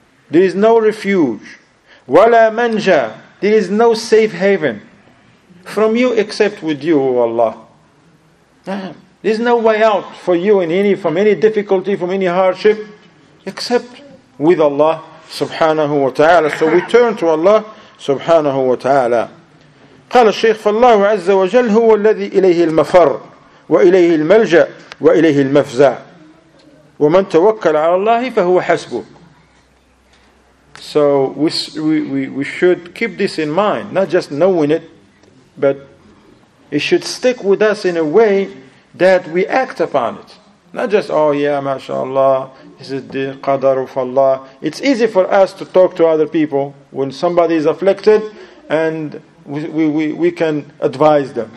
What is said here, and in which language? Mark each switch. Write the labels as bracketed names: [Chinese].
[English] There is no refuge. [Arabic] وَلَا مَنْجَأَ. [English] There is no safe haven from you except with you, O Allah. There is no way out for you in any from any difficulty, from any hardship, except with Allah subhanahu wa ta'ala. So we turn to Allah subhanahu wa ta'ala. [Arabic] قال الشيخ فالله عز وجل هو الذي إليه المفر وإليه الملجأ وإليه المفزع ومن توكل على الله فهو حسبه. [English] So we should keep this in mind, not just knowing it, but it should stick with us in a way that we act upon it. Not just, oh yeah, mashallah, this is the qadar of Allah. It's easy for us to talk to other people when somebody is afflicted and we can advise them.